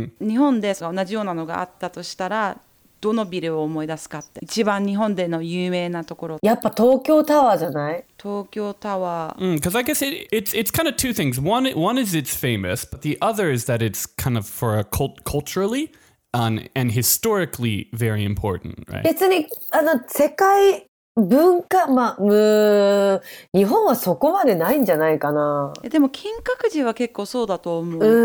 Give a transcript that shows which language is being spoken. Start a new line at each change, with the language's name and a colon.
Japanese: 日本で同じようなのがあったとしたら、どのビルを思い出すかって。一番日本での有名なところ。やっぱ東京タワーじゃない？東京タワー。
English: Because I guess it's kind of two things. One is it's famous, but the other is that it's kind of for a culturally and historically very important, right?
Japanese: 別に世界文化、まあ、日本はそこまでないんじゃないかな。でも金閣寺は結構そうだと思う。